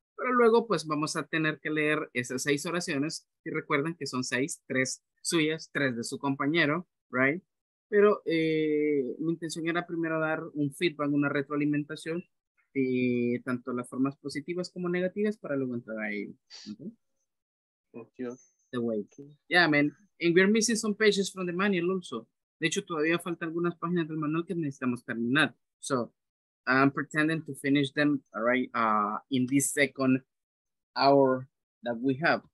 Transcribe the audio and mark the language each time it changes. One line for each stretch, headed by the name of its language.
Spanish: Pero luego, pues, vamos a tener que leer esas seis oraciones. Y recuerden que son seis, tres suyas, tres de su compañero, right? Pero mi intención era primero dar un feedback, una retroalimentación, y tanto las formas positivas como negativas para luego entrar ahí.
English: Okay. The way. Yeah, man. And we're missing some pages from the manual also.
Spanish: De hecho, todavía faltan algunas páginas del manual que necesitamos terminar.
English: So, I'm pretending to finish them, all right, in this second hour that we have.